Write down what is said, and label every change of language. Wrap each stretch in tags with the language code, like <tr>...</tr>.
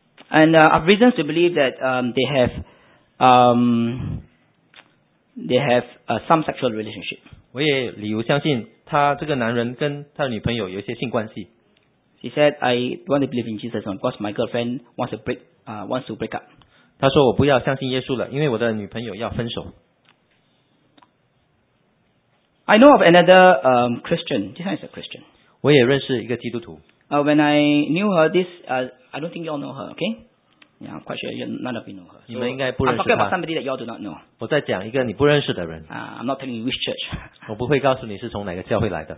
<en>And I have reasons to believe that they have some sexual relationship.</en> <zh>我也理由相信他这个男人跟他的女朋友有一些性关系。</zh> <en>He said, "I want to believe in Jesus because my girlfriend wants to break." Wants to break up.</en> <zh>他说我不要相信耶稣了，因为我的女朋友要分手。</zh> <en>I know of another Christian. This one is a Christian.</en> <zh>我也认识一个基督徒。</zh> <en>When I knew her, this I don't think you all know her, okay? Yeah, I'm quite sure none of you know her.</en> <zh>你们应该不认识她。</zh> <en>I'm talking about somebody that you all do not know.</en> <zh>我在讲一个你不认识的人。</zh> <en>I'm not telling you which church.</en> <zh>我不会告诉你是从哪个教会来的。</zh>